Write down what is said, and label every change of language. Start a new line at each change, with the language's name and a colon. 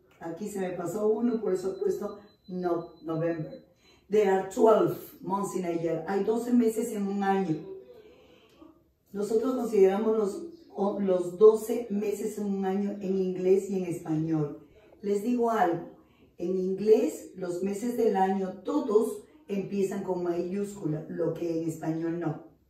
Spanish: Aquí se me pasó uno, por eso he puesto November.
English: There are 12 months in a year.
Spanish: Hay 12 meses en un año. Nosotros consideramos los 12 meses en un año en inglés y en español. Les digo algo. En inglés, los meses del año, todos empiezan con mayúscula, lo que en español no.